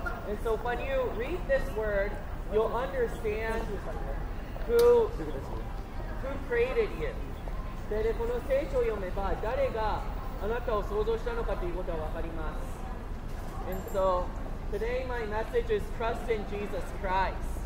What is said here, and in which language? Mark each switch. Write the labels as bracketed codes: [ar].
[en] And so when you read this word, you'll understand who created you. [ja] で、この聖書を読めば誰があなたを創造したのかということはわかります. [en] And so today my message is trust in Jesus Christ.